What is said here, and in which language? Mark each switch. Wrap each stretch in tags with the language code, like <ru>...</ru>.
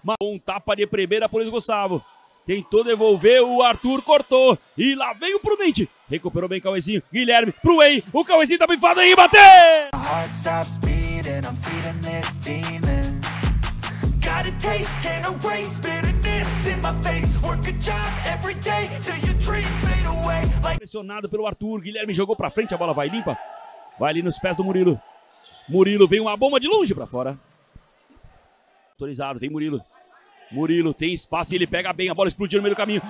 <pt>Um tapa de primeira por Luiz Gustavo. Tentou devolver, o Arthur cortou. E lá vem o Prudente. Recuperou bem o Cauêzinho. Guilherme pro Ei. O Cauêzinho tá bifado aí, bateu!</pt> <en>My heart stops beating, I'm feeding this demon. Got a taste, can't erase bitterness in my face. Work a job every day till your dreams fade away.</en> <pt>Pressionado pelo Arthur, Guilherme jogou pra frente, a bola vai limpa. Vai ali nos pés do Murilo. Murilo, vem uma bomba de longe pra fora. Autorizado, vem Murilo. Murilo tem espaço e ele pega bem, a bola explodiu no meio do caminho.</pt>